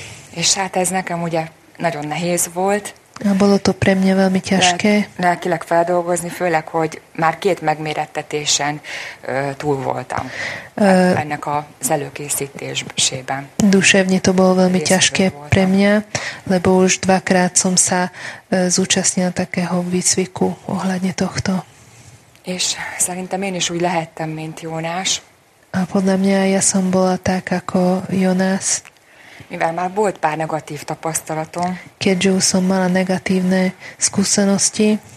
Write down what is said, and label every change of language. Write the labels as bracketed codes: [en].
[hu] És hát ez nekem ugye nagyon nehéz volt. [sk] A bolo to pre mňa veľmi ťažké. [hu] Lelkileg feldolgozni, főleg, hogy már két megmérettetésen túl voltam ennek az előkészítésében. [sk] Duševne to bolo veľmi ťažké pre mňa, lebo už dvakrát som sa zúčastnila takého výcviku ohľadne tohto. [hu] És szerintem én is úgy lehettem, mint Jónás. [sk] A podľa mňa ja som bola tak, ako Jonás. [hu] Mivel már volt pár negatív tapasztalatom. [sk] Keďže už som mala negatívne skúsenosti.